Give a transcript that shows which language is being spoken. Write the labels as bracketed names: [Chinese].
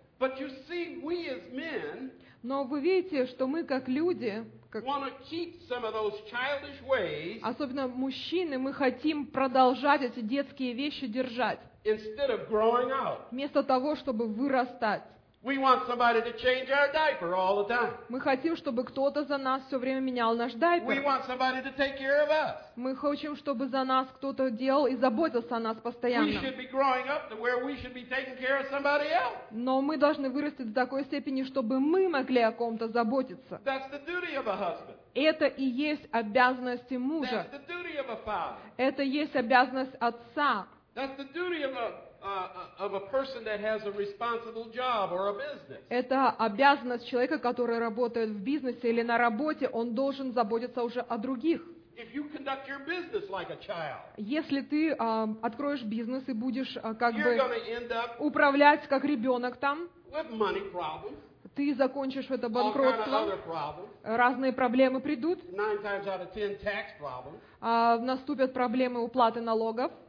[English] But you see, we as men, [Russian] но вы видите, что мы как люди, как [English] wanna keep some of those childish ways, [Russian] особенно мужчины, мы хотим продолжать эти детские вещи держать. [English] Instead of growing out, [Russian] вместо того, чтобы вырастать, [English] we want somebody to change our diaper all the time. [Russian] Мы хотим, чтобы кто-то за нас все время менял наш дайпер. [English] We want somebody to take care of us. [Russian] Мы хотим, чтобы за нас кто-то делал и заботился о нас постоянно. [English] We should be growing up to where we should be taking care of somebody else. [Russian] Но мы должны вырасти до такой степени, чтобы мы могли о ком-то заботиться. [English] That's the duty of a husband. [Russian] Это и есть обязанности мужа. [English] That's the duty of a father. [Russian] Это есть обязанность отца. [English] That's the duty of a person that has a responsible job or a business. [Russian] Это обязанность человека, который работает в бизнесе или на работе, он должен заботиться уже о других. [English] If you conduct your business like a child, [Russian] если ты откроешь бизнес и будешь как бы управлять как ребенок там, [English] with money problems, [Russian] ты закончишь это банкротство, разные проблемы придут, [English] nine times out of ten tax problems, [Russian] наступят проблемы уплаты налогов.